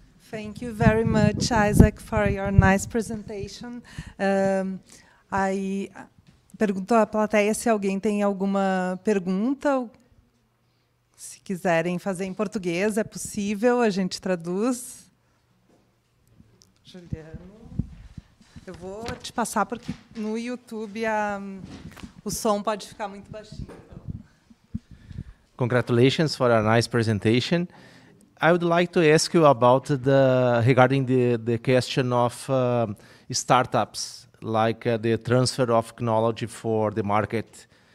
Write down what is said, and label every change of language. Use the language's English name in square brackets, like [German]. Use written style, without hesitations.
[English] Thank you very much, Isaac, for your nice presentation. [Portuguese] I pergunto à plateia se alguém tem alguma pergunta. Se quiserem fazer em português, é possível, a gente traduz. Juliano. Eu vou te passar porque no YouTube o som pode ficar muito baixinho. [English] Congratulations for a nice presentation. I would like to ask you about regarding the question of startups, like the transfer of technology for the market.